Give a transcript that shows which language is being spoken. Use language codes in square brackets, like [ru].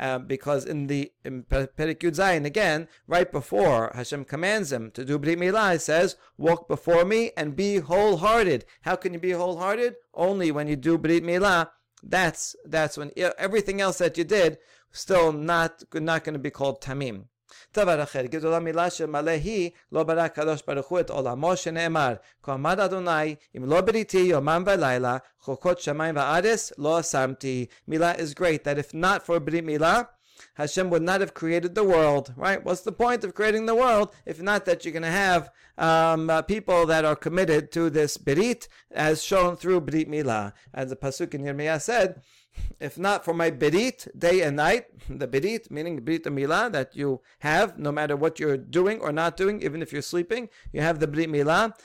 [en] Because in Perek Yud Zayin, again, right before Hashem commands him to do Brit Milah, he says, walk before me and be wholehearted. How can you be wholehearted? Only when you do Brit Milah. That's when everything else that you did, still not going to be called tamim. [he] דבר אחר, גדולה מילה שמלא היא, לא ברא הקדוש ברוך הוא את עולמו שנאמר, כה אמר אדוני, אם לא בריתי יומם ולילה, חוקות שמיים וארץ, לא אסמתי. [en] מילה is great, that if not for ברית מילה, Hashem would not have created the world, right? What's the point of creating the world if not that you're going to have people that are committed to this berit as shown through Brit Milah? As the Pasuk in Yirmiyah said, if not for my berit day and night, the berit, meaning Brit Milah that you have, no matter what you're doing or not doing, even if you're sleeping, you have the Brit Milah.